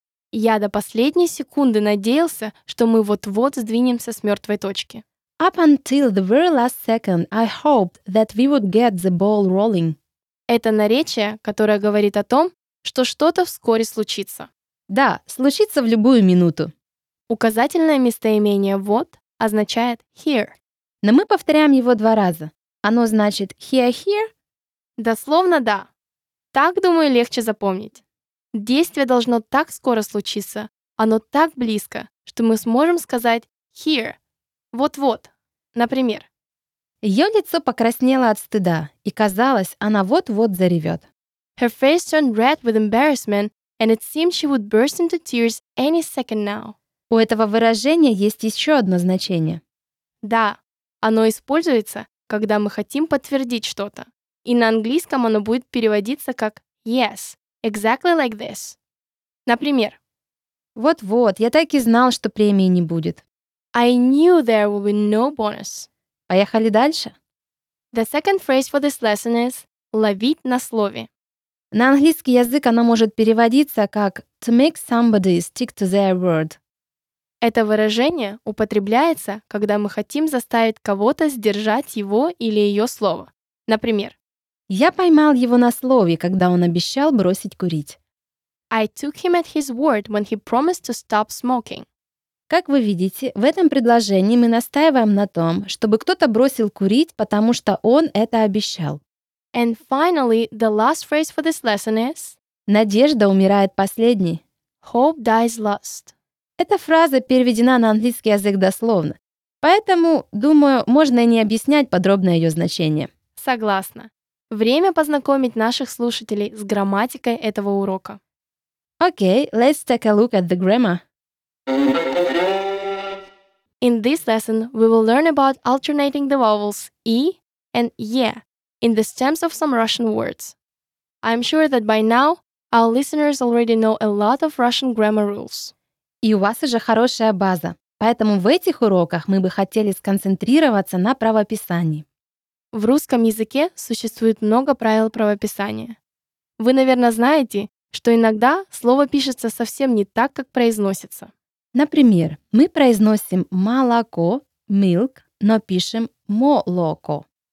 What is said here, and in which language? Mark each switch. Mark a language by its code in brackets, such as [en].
[ru] Я до последней секунды надеялся, что мы вот-вот сдвинемся с мертвой точки. [en] Up until the very last second, I hoped that we would get the ball rolling. [ru] Это наречие, которое говорит о том, что что-то вскоре случится. Да, случится в любую минуту. Указательное местоимение «вот» означает «here». Но мы повторяем его два раза. Оно значит «here-here»? Дословно да. Так, думаю, легче запомнить. Действие должно так скоро случиться, оно так близко, что мы сможем сказать «here», «вот-вот», например. Ее лицо покраснело от стыда, и казалось, она вот-вот заревет. [en] Her face turned red with embarrassment, and it seemed she would burst into tears any second now. [ru] У этого выражения есть еще одно значение. Да, оно используется, когда мы хотим подтвердить что-то. И на английском оно будет переводиться как yes, exactly like this. Например. Вот-вот, я так и знал, что премии не будет. [en] I knew there will be no bonus. [ru] Поехали дальше. [en] The second phrase for this lesson is ловить на слове. [ru] На английский язык оно может переводиться как to make somebody stick to their word. Это выражение употребляется, когда мы хотим заставить кого-то сдержать его или ее слово. Например, я поймал его на слове, когда он обещал бросить курить. [en] I took him at his word when he promised to stop smoking. [ru] Как вы видите, в этом предложении мы настаиваем на том, чтобы кто-то бросил курить, потому что он это обещал. [en] And finally, the last phrase for this lesson is [ru] «Надежда умирает последней». [en] Hope dies last. [ru] Эта фраза переведена на английский язык дословно, поэтому, думаю, можно и не объяснять подробно ее значение. Согласна. Время познакомить наших слушателей с грамматикой этого урока. [en] Okay, let's take a look at the grammar. In this lesson, we will learn about alternating the vowels «e» and «е» in the stems of some Russian words. I'm sure that by now, our listeners already know a lot of Russian grammar rules. [ru] И у вас уже хорошая база. Поэтому в этих уроках мы бы хотели сконцентрироваться на правописании. В русском языке существует много правил правописания. Вы, наверное, знаете, что иногда слово пишется совсем не так, как произносится. Например, мы произносим «молоко», «milk», но пишем «молоко».